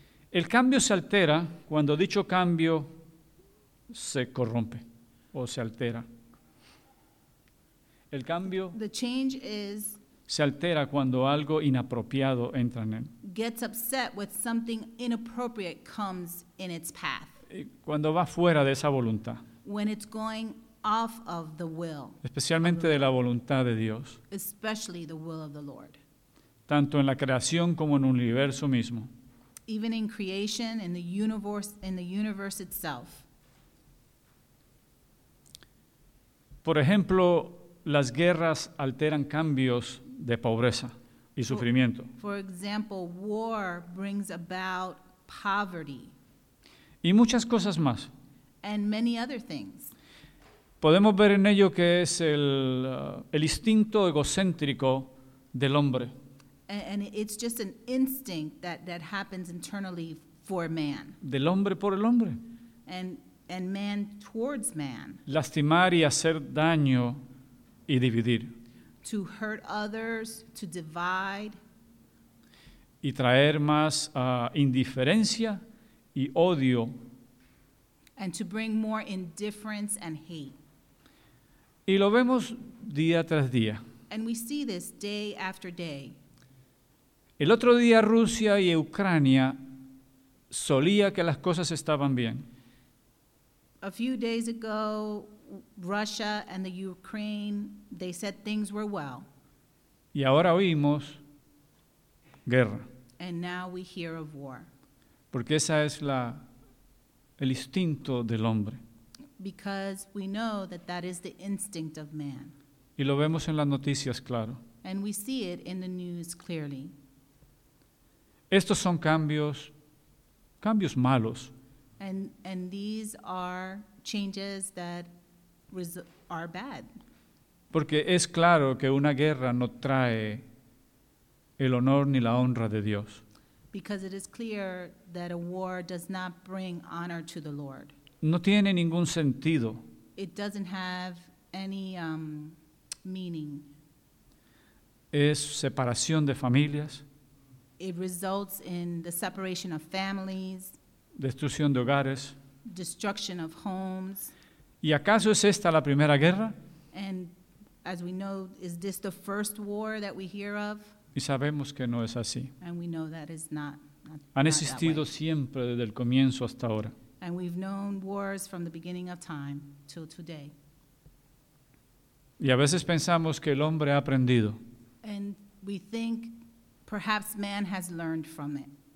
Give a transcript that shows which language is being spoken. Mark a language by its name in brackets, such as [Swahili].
[Spanish] El cambio se altera cuando dicho cambio se corrompe o se altera. El cambio [English] the change is [Spanish] se altera cuando algo inapropiado entra en él. [English] Gets upset when something inappropriate comes in its path. [Spanish] Cuando va fuera de esa voluntad. [English] When it's going off of the will. [Spanish] Especialmente de la voluntad de Dios. [English] Especially the will of the Lord. [Spanish] Tanto en la creación como en el universo mismo. [English] Even in creation, in the universe itself. [Spanish] Por ejemplo, las guerras alteran cambios de pobreza y sufrimiento. [English] For example, war brings about poverty. [Spanish] Y muchas cosas más. [English] And many other things. [Spanish] Podemos ver en ello que es el instinto egocéntrico del hombre. [English] And it's just an instinct that happens internally for man. [Spanish] Del hombre por el hombre. [English] And man towards man. [Spanish] Lastimar y hacer daño y dividir. [English] To hurt others, to divide. [Spanish] Y traer más indiferencia y odio. [English] And to bring more indifference and hate. [Spanish] Y lo vemos día tras día. [English] And we see this day after day. [Spanish] El otro día Rusia y Ucrania solía que las cosas estaban bien. [English] A few days ago, Russia and the Ukraine, they said things were well. [Spanish] Y ahora oímos guerra. [English] And now we hear of war. [Spanish] Porque esa es el instinto del hombre. [English] Because we know that is the instinct of man. [Spanish] Y lo vemos en las noticias, claro. [English] And we see it in the news clearly. [Spanish] Estos son cambios malos. [English] And these are changes that are bad. [Spanish] Porque es claro que una guerra no trae el honor ni la honra de Dios. [English] Because it is clear that a war does not bring honor to the Lord. [Spanish] No tiene ningún sentido. [English] It doesn't have any meaning. [Spanish] Es separación de familias. [English] It results in the separation of families. [Spanish] Destrucción de hogares. [English] Destruction of homes. [Spanish] ¿Y acaso es esta la primera guerra? [English] And as we know, is this the first war that we hear of? [Spanish] Y sabemos que no es así. [English] And we know that is not [Spanish] Han existido siempre desde el comienzo hasta ahora. [English] And we've known wars from the beginning of time till today. [Spanish] Y a veces pensamos que el hombre ha aprendido. [English] And we think perhaps man has learned from it.